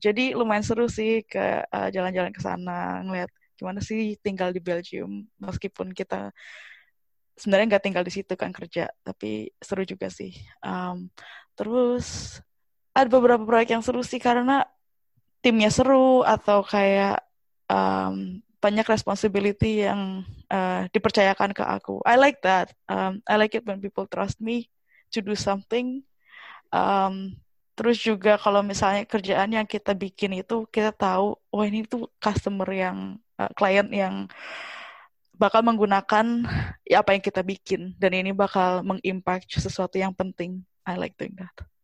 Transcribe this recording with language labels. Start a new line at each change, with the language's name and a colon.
Indonesian: Jadi lumayan seru sih ke jalan-jalan ke sana, ngeliat gimana sih tinggal di Belgium, meskipun kita sebenarnya nggak tinggal di situ kan kerja, tapi seru juga sih. Terus ada beberapa proyek yang seru sih karena timnya seru atau kayak banyak responsibility yang dipercayakan ke aku.
English: I like that. I like it when people trust me to do something.
Indonesian: Terus juga kalau misalnya kerjaan yang kita bikin itu kita tahu, wah ini tuh customer yang client yang bakal menggunakan ya apa yang kita bikin dan ini bakal mengimpact sesuatu yang penting.
English: I like doing that.